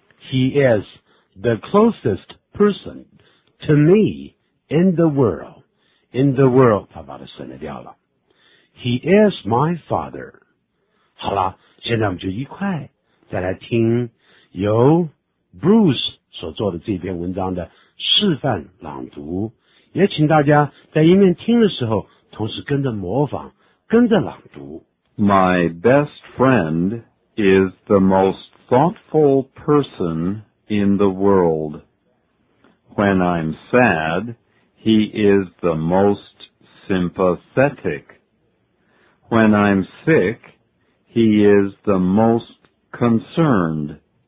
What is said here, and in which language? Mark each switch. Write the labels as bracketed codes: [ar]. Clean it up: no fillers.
[en] He is the closest person to me in the world. In the world, [zh] 他把它省了掉了。 [en] He is my father. [zh] 好啦现在我们就一块再来听由 Bruce 所做的这篇文章的示范朗读。也请大家在一面听的时候同时跟着模仿跟着朗读。 [en] My best friend is the most thoughtful person in the world. When I'm sad, he is the most sympathetic. When I'm sick, he is the most concerned.